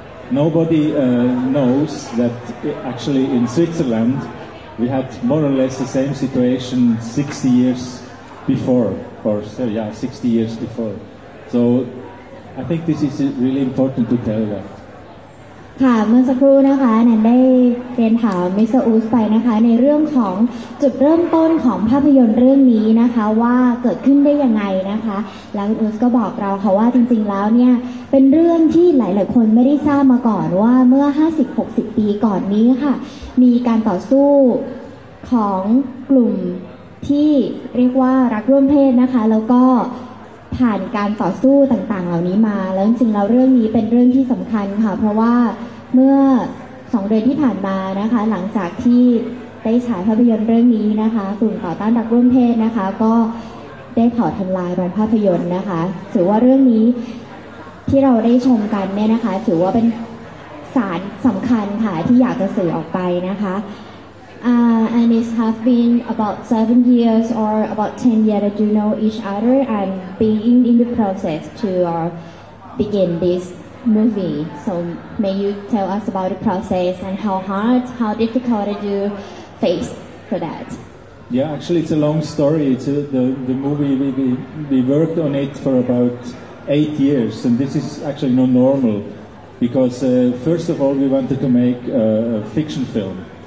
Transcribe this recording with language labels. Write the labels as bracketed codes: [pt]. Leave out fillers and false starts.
[en] Nobody knows that actually in Switzerland, we had more or less the same situation 60 years before, or so, yeah, 60 years before. So I think this is really important to tell that. [th] ค่ะเมื่อสักครู่นะคะแนนได้เรียนถามมิสเตอร์อูสไปนะคะในเรื่องของจุดเริ่มต้นของภาพยนตร์เรื่องนี้นะคะว่าเกิดขึ้นได้ยังไงนะคะแล้วอูสก็บอกเราค่ะว่าจริงๆแล้วเนี่ยเป็นเรื่องที่หลายๆคนไม่ได้ทราบมาก่อนว่าเมื่อ 50-60 ปีก่อนนี้ค่ะมีการต่อสู้ ของกลุ่มที่เรียกว่ารักร่วมเพศนะคะแล้วก็ผ่านการต่อสู้ต่างๆเหล่านี้มาแล้วจริงๆแล้วเรื่องนี้เป็นเรื่องที่สำคัญค่ะเพราะว่าเมื่อ2เดือนที่ผ่านมานะคะหลังจากที่ได้ฉายภาพยนตร์เรื่องนี้นะคะกลุ่มต่อต้านรักร่วมเพศนะคะก็ได้เผาทำลายโรงภาพยนตร์นะคะถือว่าเรื่องนี้ ที่เราได้ชมกันเนี่ยนะคะถือว่าเป็นสารสำคัญค่ะที่อยากจะสื่อออกไปนะคะ [en] And it has been about 7 years or about 10 years that you know each other and being in the process to begin this movie. So may you tell us about the process and how hard, how difficult did you face for that? Yeah, actually it's a long story. It's the movie, we worked on it for about 8 years, and this is actually not normal because first of all we wanted to make a fiction film.